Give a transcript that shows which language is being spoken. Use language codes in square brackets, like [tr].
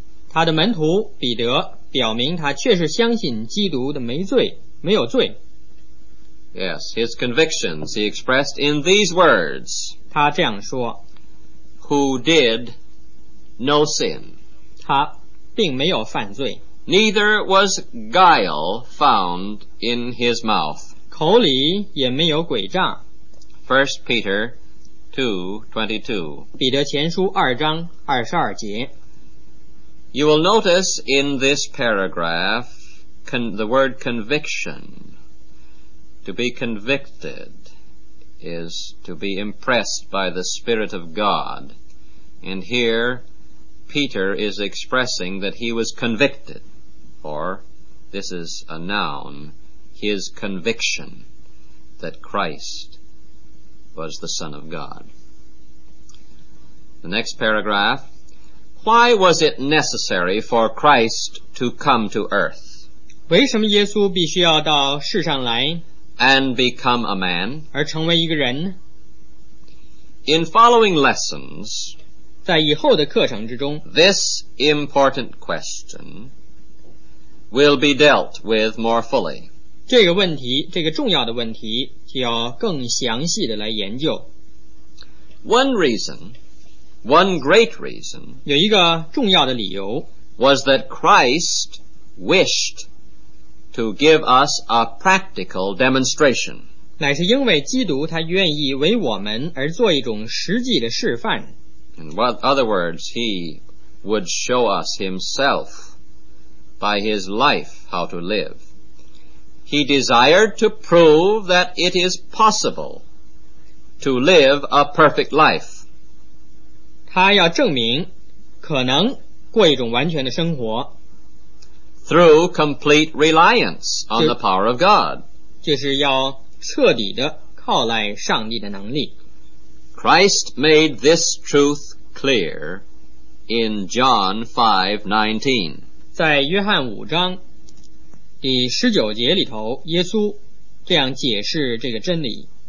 [zh] 他的门徒彼得表明他确实相信基督的没罪，没有罪。 [en] Yes, his convictions he expressed in these words. [zh] 他这样说， [en] Who did no sin. [zh] 他并没有犯罪。 [en] Neither was guile found in his mouth. [zh] 口里也没有诡诈。 [en] 1 Peter 2:22 [zh] 彼得前书二章二十二节。 [en] You will notice in this paragraph the word conviction. To be convicted is to be impressed by the Spirit of God. And here Peter is expressing that he was convicted. Or this is a noun, his conviction that Christ was the Son of God. The next paragraph, why was it necessary for Christ to come to earth? [zh] 为什么耶稣必须要到世上来? [en] And become a man? [zh] 而成为一个人? [en] In following lessons, [zh] 在以后的课程之中, [en] this important question will be dealt with more fully. [zh] 这个问题,这个重要的问题,就要更详细地来研究。 [en] One great reason [zh] 有一个重要的理由 [en] was that Christ wished to give us a practical demonstration. [zh] 乃是因为基督他愿意为我们而做一种实际的示范。 [en] In other words, he would show us himself by his life how to live. He desired to prove that it is possible to live a perfect life. [zh] 他要证明可能过一种完全的生活。 [en] Through complete reliance on the power of God. [zh] 就是要彻底的靠赖上帝的能力。 [en] Christ made this truth clear in John 5:19. [zh] 在约翰五章第十九节里头，耶稣这样解释这个真理。